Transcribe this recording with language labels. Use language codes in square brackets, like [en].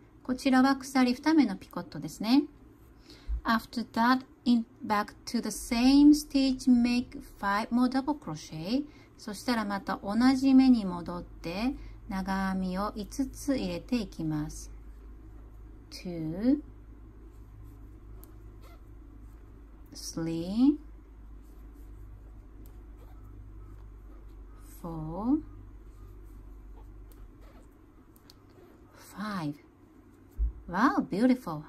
[ja] こちらは鎖2目のピコットですね。 [en] After that, in back to the same stitch, make five more double crochet. [ja] そしたらまた同じ目に戻って長編みを5つ入れていきます。 [en] Two, three, four, five. Wow, beautiful.